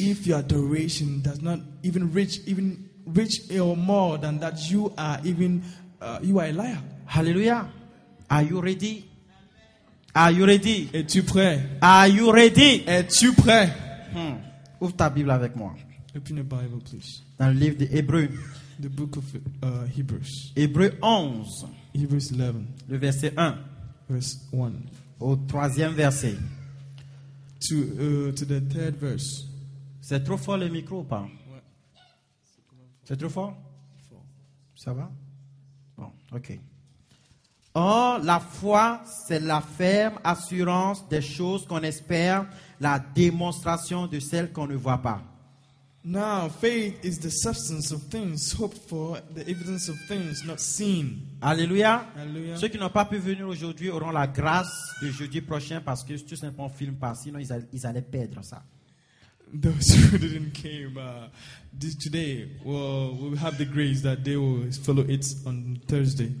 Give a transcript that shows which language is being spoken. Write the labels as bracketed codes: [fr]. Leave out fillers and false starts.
[en] If your adoration does not even reach or more than that, you are a liar. Hallelujah. Are you ready? Are you ready? [fr] Es-tu prêt? [en] Are you ready? [fr] Es-tu prêt? Ouvre ta Bible avec moi. [en] Open the Bible, please. [fr] Dans le livre des Hébreux. [en] The book of Hebrews. [fr] Hébreux 11. [en] Hebrews 11. [fr] Le verset 1. [en] Verse 1. [fr] Au troisième verset. [en] To the third verse. [fr] C'est trop fort le micro ou pas? Ouais. C'est trop fort? Fort. Ça va? Bon, ok. Or, la foi, c'est la ferme assurance des choses qu'on espère, la démonstration de celles qu'on ne voit pas. [en] Now, faith is the substance of things hoped for, the evidence of things not seen. [fr] Alléluia. Alléluia. Ceux qui n'ont pas pu venir aujourd'hui auront la grâce de jeudi prochain parce que tout simplement on filme pas, sinon ils allaient perdre ça. [en] Those who didn't came today, well, we have the grace that they will follow it on Thursday.